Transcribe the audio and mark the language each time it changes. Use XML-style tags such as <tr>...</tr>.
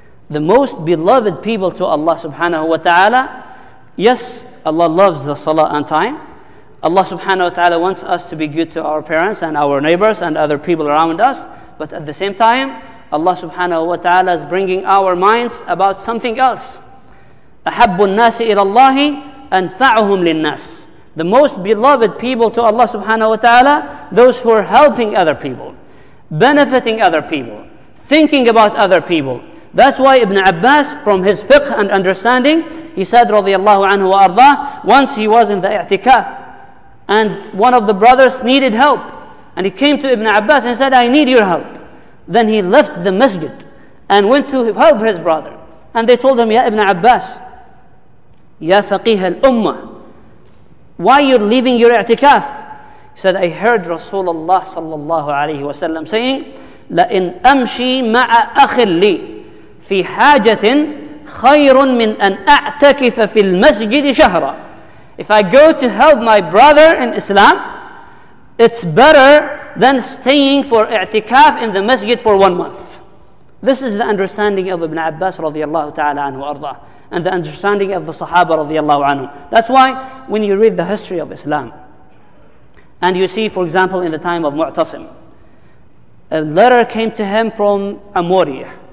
<en>The most beloved people to Allah subhanahu wa ta'ala, yes, Allah loves the salah on time. Allah subhanahu wa ta'ala wants us to be good to our parents and our neighbors and other people around us. But at the same time, Allah subhanahu wa ta'ala is bringing our minds about something else.</en> <ar>أحب الناس إلى الله أنفعهم للناس.</ar> <en>The most beloved people to Allah subhanahu wa ta'ala, those who are helping other people, benefiting other people, thinking about other people. That's why Ibn Abbas, from his fiqh and understanding, he said, radiyallahu anhu wa arda, once he was in the i'tikaf, and one of the brothers needed help. And he came to Ibn Abbas and said, I need your help. Then he left the masjid and went to help his brother. And they told him, Ya Ibn Abbas, Ya faqih al-ummah, why you're leaving your i'tikaf? He said, I heard Rasulullah sallallahu alayhi wa sallam saying,</en> <ar>لَإِنْ أَمْشِي مَعَ أَخِلِّي فِي حَاجَةٍ خَيْرٌ مِنْ أَنْ أَعْتَكِفَ فِي الْمَسْجِدِ شَهْرًا.</ar> <en>If I go to help my brother in Islam, it's better than staying for i'tikaf in the masjid for 1 month. This is the understanding of Ibn Abbas radiyallahu ta'ala anhu arda, and the understanding of the Sahaba radiyallahu anhu. That's why when you read the history of Islam, and you see, for example, in the time of Mu'tasim, a letter came to him from Amuriyah.</en>